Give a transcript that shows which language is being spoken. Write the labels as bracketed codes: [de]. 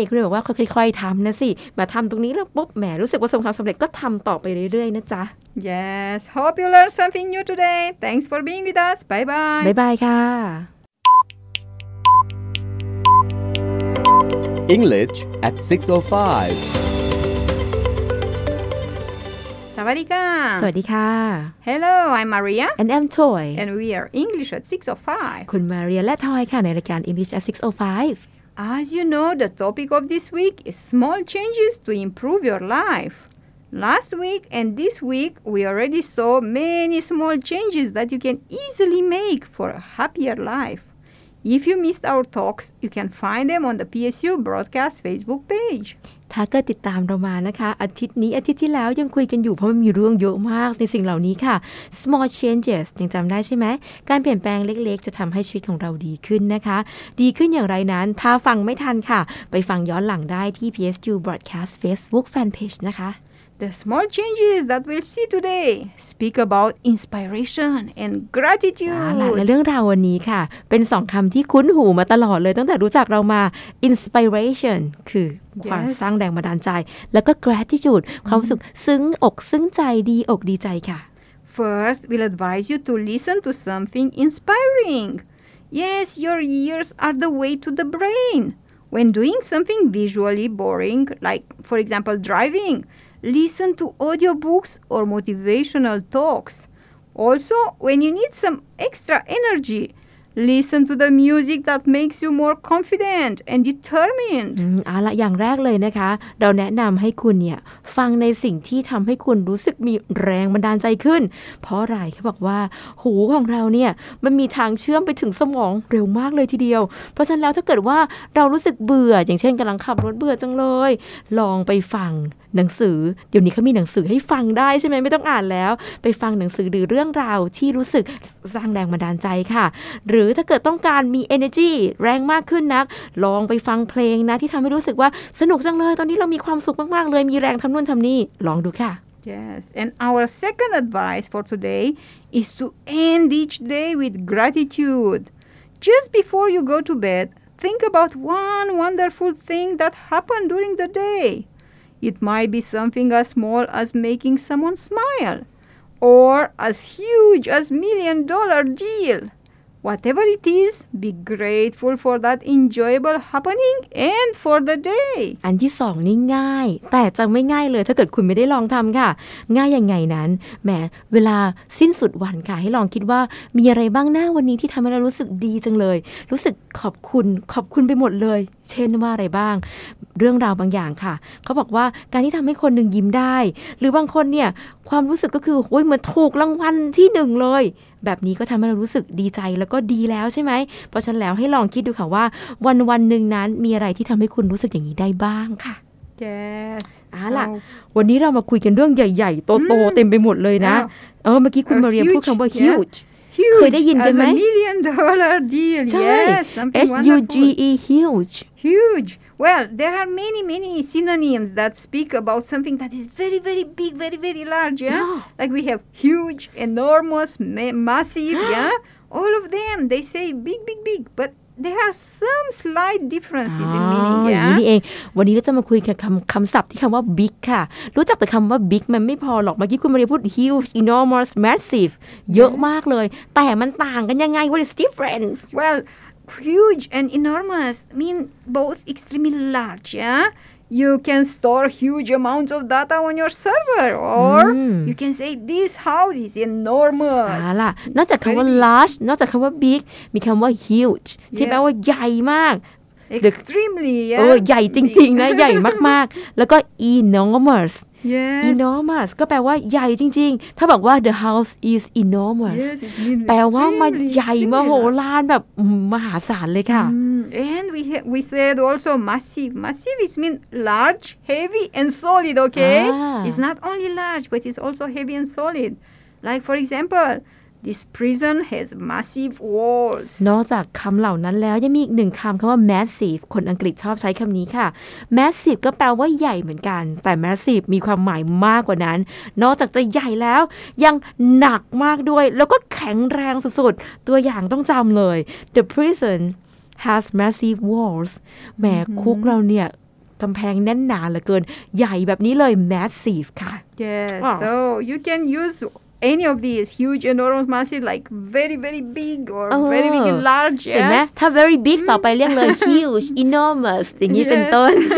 [th] คุณบอกว่าค่อยๆทำนะสิมาทำตรงนี้แล้วปุ๊บแหมรู้สึกว่าสมความสำเร็จก็ทำต่อไปเรื่อยๆนะจ๊ะ [en] Yes, hope you learned something new today. Thanks for being with us. Bye-bye. Bye-bye, ค่ะ English at 6:05. [th] สวัสดีค่ะ สวัสดีค่ะ [en] Hello I'm Maria and I'm Toy and we are English at 6:05 [th] คุณ Maria และ Toy ค่ะในรายการ English at 6:05 [en] As you know the topic of this week is small changes to improve your life Last week and this week, we already saw many small changes that you can easily make for a happier life. If you missed our talks, you can find them on the PSU Broadcast Facebook page. [th] ถ้าเกิดติดตามเรามานะคะอาทิตย์นี้อาทิตย์ที่แล้วยังคุยกันอยู่เพราะมันมีเรื่องเยอะมากในสิ่งเหล่านี้ค่ะ [en] small changes [th] ยังจำได้ใช่ไหมการเปลี่ยนแปลงเล็กๆจะทำให้ชีวิตของเราดีขึ้นนะคะดีขึ้นอย่างไรนั้นถ้าฟังไม่ทันค่ะไปฟังย้อนหลังได้ที่ PSU Broadcast Facebook Fanpage นะคะ [en] The small changes that we'll see today speak about inspiration and gratitude [th] และเรื่องราววันนี้ค่ะเป็นสองคำที่คุ้นหูมาตลอดเลยตั้งแต่รู้จักเรามา inspiration คือความ [en] yes. [th] สร้างแรงบันดาลใจแล้วก็ gratitude ความรู้สึกซึ้งอกซึ้งใจดีอกดีใจค่ะ [en] First, we'll advise you to listen to something inspiring. Yes, your ears are the way to the brain. When doing something visually boring, like, for example, driving, listen to audiobooks or motivational talks. Also, when you need some extra energy,Listen to the music that makes you more confident and determined. [th] เอาละอย่างแรกเลยนะคะเราแนะนำให้คุณเนี่ยฟังในสิ่งที่ทำให้คุณรู้สึกมีแรงบันดาลใจขึ้นเพราะอะไรเขาบอกว่าหูของเราเนี่ยมันมีทางเชื่อมไปถึงสมองเร็วมากเลยทีเดียวเพราะฉะนั้นแล้วถ้าเกิดว่าเรารู้สึกเบื่ออย่างเช่นกำลังขับรถเบื่อจังเลยลองไปฟังหนังสือเดี๋ยวนี้เขามีหนังสือให้ฟังได้ใช่ไหมไม่ต้องอ่านแล้วไปฟังหนังสือหรือเรื่องราวที่รู้สึก สร้างแรงบันดาลใจค่ะหรือถ้าเกิดต้องการมี energy แรงมากขึ้นนักลองไปฟังเพลงนะที่ทำให้รู้สึกว่าสนุกจังเลยตอนนี้เรามีความสุขมากๆเลยมีแรงทำนู่นทำนี่ลองดูค่ะ [en] Yes and our second advice for today is to end each day with gratitude just before you go to bed think about one wonderful thing that happened during the dayIt might be something as small as making someone smile, or as huge as $1 million deal. Whatever it is, be grateful for that enjoyable happening and for the day. [th] อันที่สองนี่ง่ายแต่จะไม่ง่ายเลยถ้าเกิดคุณไม่ได้ลองทำค่ะง่ายยังไงนั้นแหมเวลาสิ้นสุดวันค่ะให้ลองคิดว่ามีอะไรบ้างหน้าวันนี้ที่ทำให้เรารู้สึกดีจังเลยรู้สึกขอบคุณขอบคุณไปหมดเลยเช่นว่าอะไรบ้าง เรื่องราวบางอย่างค่ะเขาบอกว่าการที่ทำให้คนหนึ่งยิ้มได้หรือบางคนเนี่ยความรู้สึกก็คือโอ้ยเหมือนถูกรางวัลที่หนึ่งเลยแบบนี้ก็ทำให้เรารู้สึกดีใจแล้วก็ดีแล้วใช่ไหมเพราะฉะนั้นแล้วให้ลองคิดดูค่ะว่าวันหนึ่งนั้นมีอะไรที่ทำให้คุณรู้สึกอย่างนี้ได้บ้างค่ะ [en] Yes [th] อ่ะล่ะวันนี้เรามาคุยกันเรื่องใหญ่ๆโตๆเต็มไปหมดเลยนะ เมื่อกี้คุณมาเรียมพูดคำว่า [en] huge [th] เคยได้ยินกันไหม [en] As a $1 million deal, yes, huge. Huge. Well, there are many, many synonyms that speak about something that is very, very big, very, very large. Yeah, like we have huge, enormous, massive. Yeah, all of them. They say big, big, big, but. There are some slight differences in meaning. Yeah. [th] นี่เองวันนี้เราจะมาคุยกันคำศัพท์ที่คำว่า big ค่ะรู้จักแต่คำว่า big มันไม่พอหรอกเมื่อกี้คุณมาเรียพูด huge, enormous, massive เยอะมากเลยแต่มันต่างกันยังไง [en] What is different? Well, huge and enormous mean both extremely large. Yeah, you can store huge amounts of data on your server, or you can say this house is enormous. [th] อ่าล่ะนอกจากคำว่า large นอกจากคำว่า big มีคำว่า huge ที่แปลว่าใหญ่มาก [en] extremely [th] ใหญ่จริงๆนะใหญ่มากๆแล้วก็ enormous [en] Yes. [th] Enormous ก็แปลว่าใหญ่จริงๆถ้าบอกว่า [en] the house is enormous yes, [th] แปลว่ามันใหญ่มโหฬารแบบมหาศาลเลยค่ะ [en] And we said also massive. Massive is mean large, heavy and solid. Okay, it's not only large but it's also heavy and solid. Like for example, this prison has massive walls. [th] นอกจากคำเหล่านั้นแล้วยังมีอีกหนึ่งคำคำว่า massive คนอังกฤษชอบใช้คำนี้ค่ะ massive ก็แปลว่าใหญ่เหมือนกันแต่ massive มีความหมายมากกว่านั้นนอกจากจะใหญ่แล้วยังหนักมากด้วยแล้วก็แข็งแรงสุดๆตัวอย่างต้องจำเลย [en] the prison has massive walls [th] แหมคุกเราเนี่ยกำแพงแน่นหนาเหลือเกินใหญ่แบบนี้เลย massive ค่ะ [en] yes so you can useAny of these huge, enormous, massive, like very, very big or very big and large. Yes. [th] เห็นไหมถ้า [en] very big [th] ต่อไปเรียกเลย huge, enormous อย่างนี้เป็นต้น